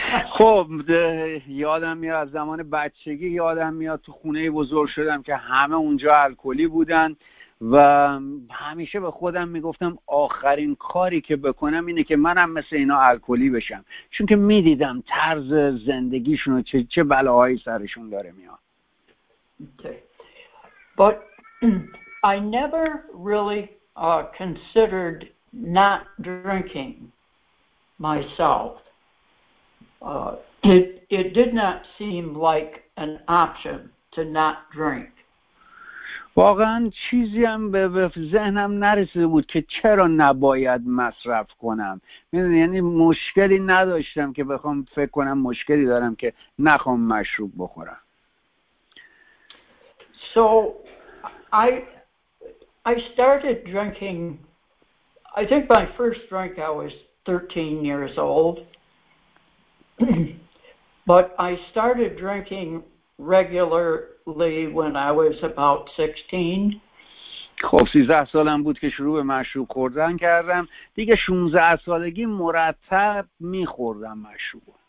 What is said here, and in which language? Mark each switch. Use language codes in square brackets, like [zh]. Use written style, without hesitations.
[fa] خب یادم میاد از زمان بچگی، یادم میاد تو خونه بزرگ شدم که همه اونجا الکلی بودن و همیشه به خودم میگفتم آخرین کاری که بکنم اینه که منم مثل اینا الکلی بشم، چون که میدیدم طرز زندگیشون و چه بلاهایی سرشون داره میاد. [en] But I never really considered not drinking myself. It did not seem like an option to not drink. [fa] واقعا چیزی هم به ذهنم نرسیده بود که چرا نباید مصرف کنم. میدونی، یعنی مشکلی نداشتم که بخوام فکر کنم مشکلی دارم که نخوام مشروب بخورم. [en] So I started drinking. I think my first drink I was 13 years old. But I started drinking regularly when I was about 16. [fa] خب 13 سالم بود که شروع به مشروب خوردن کردم. دیگه 16 سالگی مرتب می‌خوردم مشروب.